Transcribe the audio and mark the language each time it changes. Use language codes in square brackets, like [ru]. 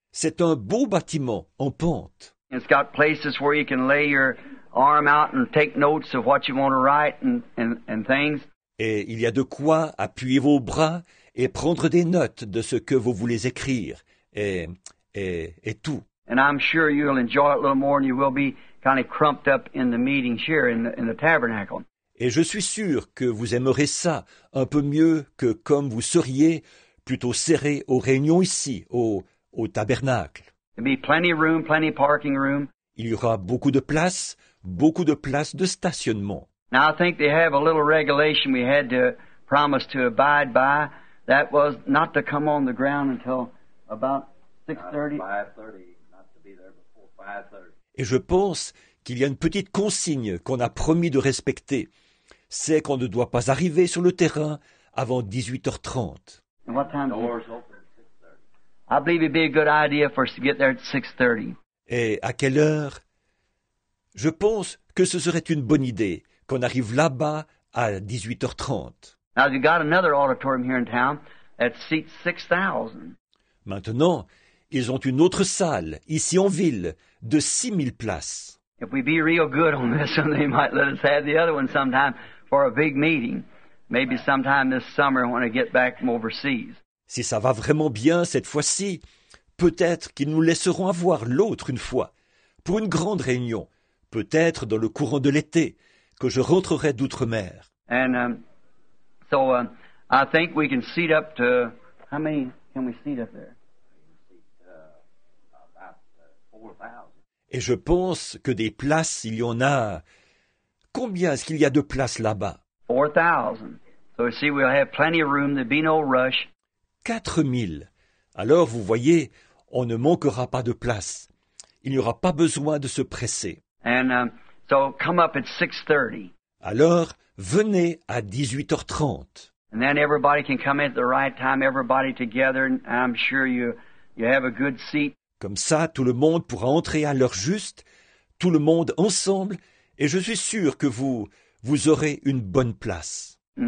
[fr] C'est un beau bâtiment en pente. [en] It's got places where you can lay your arm out and take notes of what you want to write and things. [fr] Et il y a de quoi appuyer vos bras et prendre des notes de ce que vous voulez écrire et tout. [en] And I'm sure you'll enjoy it a little more, and you will be kind of crumped up in the meetings here in the tabernacle. [fr] Et je suis sûr que vous aimerez ça un peu mieux que comme vous seriez plutôt serré aux réunions ici au tabernacle. [en] There'll be plenty of room, plenty of parking room. [fr] Il y aura beaucoup de place de stationnement. [en] Now I think they have a little regulation we had to promised to abide by, that was not to come on the ground until about 6:30. 5:30, not to be there before 5:30. [fr] Et je pense qu'il y a une petite consigne qu'on a promis de respecter. C'est qu'on ne doit pas arriver sur le terrain avant 18h30. [en] And what time is it? I believe it'd be a good idea for us to get there at 6:30. [fr] Et à quelle heure? Je pense que ce serait une bonne idée qu'on arrive là-bas à 18h30. [en] Now, you got another auditorium here in town that seats 6,000. [fr] Maintenant, ils ont une autre salle, ici en ville, de 6,000 places. [en] If we be real good on this one, they might let us have the other one sometime for a big meeting. Maybe sometime this summer when I get back from overseas. [fr] Si ça va vraiment bien cette fois-ci, peut-être qu'ils nous laisseront avoir l'autre une fois, pour une grande réunion, peut-être dans le courant de l'été, que je rentrerai d'outre-mer. [en] And I think we can seat up to, how many can we seat up there? [fr] Et je pense que des places, il y en a... Combien est-ce qu'il y a de places là-bas? [en] 4,000. So you see, we'll have plenty of room, there'll be no rush. [fr] 4,000. Alors, vous voyez, on ne manquera pas de place. Il n'y aura pas besoin de se presser. [en] And so come up at 6:30. [fr] Alors, venez à 18h30. [en] And then everybody can come at the right time, everybody together, and I'm sure you have a good seat. [fr] Comme ça, tout le monde pourra entrer à l'heure juste, tout le monde ensemble, et je suis sûr que vous aurez une bonne place.